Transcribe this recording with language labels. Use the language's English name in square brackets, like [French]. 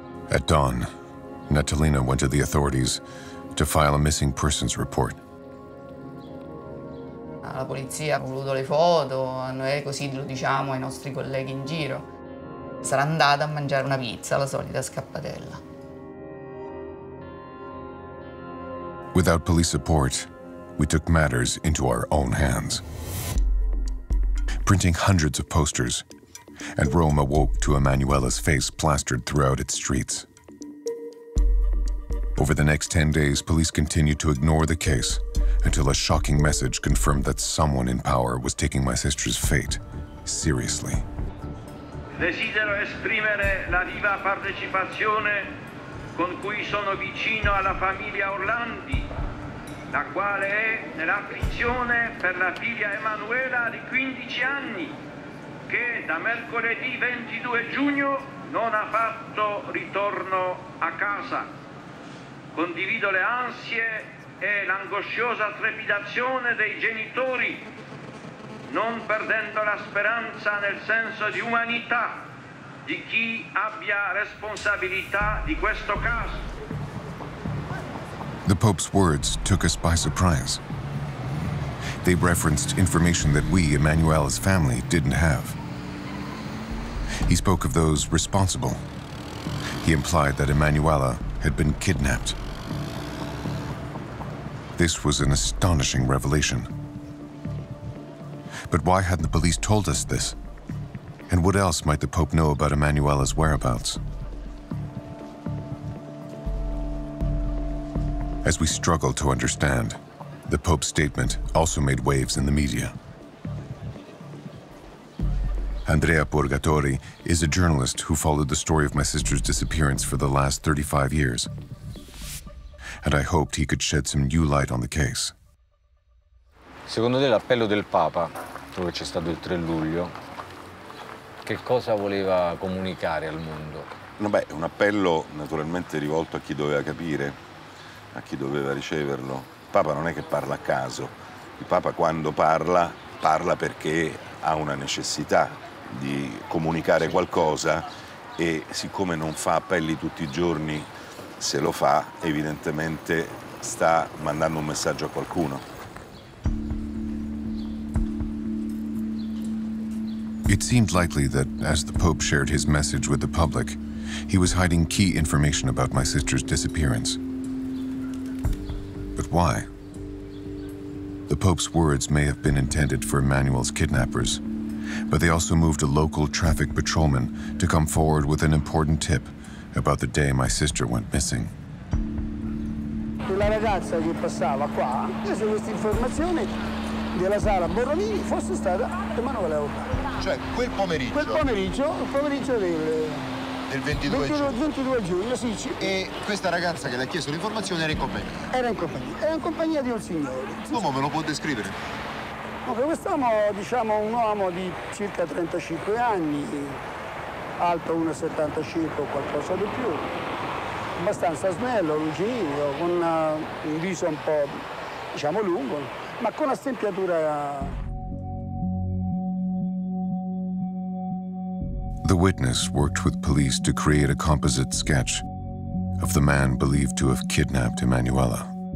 [English] At dawn, Natalina went to the authorities to file a missing persons report. [Italian] La polizia ha voluto le foto, noi così lo diciamo ai nostri colleghi in giro. Sarà andata a mangiare una pizza, la solita scappatella. [English] Without police support, we took matters into our own hands. Printing hundreds of posters, and Rome awoke to Emanuela's face plastered throughout its streets. Over the next 10 days, police continued to ignore the case until a shocking message confirmed that someone in power was taking my sister's fate seriously. [Italian] Desidero esprimere la viva partecipazione con cui sono vicino alla famiglia Orlandi, la quale è nella prigione per la figlia Emanuela di 15 anni, che da mercoledì 22 giugno non ha fatto ritorno a casa. Condivido le ansie e l'angosciosa trepidazione dei genitori, non perdendo la speranza nel senso di umanità di chi abbia responsabilità di questo caso. [English] The Pope's words took us by surprise. They referenced information that we, Emanuela's family, didn't have. He spoke of those responsible. He implied that Emanuela had been kidnapped. This was an astonishing revelation. But why hadn't the police told us this? And what else might the Pope know about Emanuela's whereabouts? As we struggled to understand, the Pope's statement also made waves in the media. Andrea Purgatori is a journalist who followed the story of my sister's disappearance for the last 35 years. And I hoped he could shed some new light on the case. [Italian] Secondo te l'appello del Papa, quello che c'è stato il 3 luglio, che cosa voleva comunicare al mondo? No, beh, un appello naturalmente rivolto a chi doveva capire, a chi doveva riceverlo. Il Papa non è che parla a caso. Il Papa quando parla, parla perché ha una necessità di comunicare qualcosa e siccome non fa appelli tutti i giorni, se lo fa, evidentemente sta mandando un messaggio a qualcuno. [English] It seemed likely that as the Pope shared his message with the public, he was hiding key information about my sister's disappearance. But why? The Pope's words may have been intended for Emanuel's kidnappers, but they also moved a local traffic patrolman to come forward with an important tip about the day my sister went missing. [Italian] La ragazza che passava qua chiese questa informazione della sala Borromini fosse stata Emanuela Orlandi. Cioè quel pomeriggio. Quel pomeriggio del 22 giugno, sì, sì. E questa ragazza che le ha chiesto l'informazione era in compagnia? Era in compagnia di un signore. L'uomo me lo può descrivere? Dunque, quest'uomo, diciamo, un uomo di circa 35 anni, alto 1,75 o qualcosa di più, abbastanza snello, lucidino, con un viso un po', diciamo, lungo, ma con la stempiatura. [English] The witness worked with police to create a composite sketch of the man believed to have kidnapped Emanuela.